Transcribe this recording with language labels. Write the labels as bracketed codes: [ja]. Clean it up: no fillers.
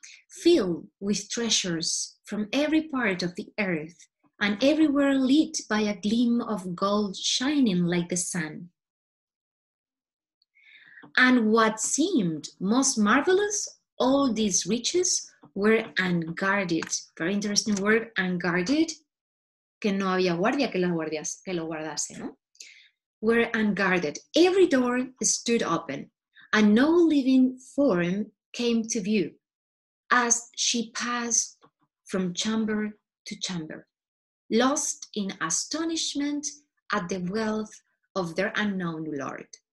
[en] filled with treasures from every part of the earth, and everywhere lit by a gleam of gold shining like the sun. And what seemed most marvelous, all these riches were unguarded. Very interesting word, unguarded. [es] Que no había guardia que lo guardase, ¿no? [en] Were unguarded. Every door stood open, and no living form came to view as she passed from chamber to chamber, lost in astonishment at the wealth of their unknown lord.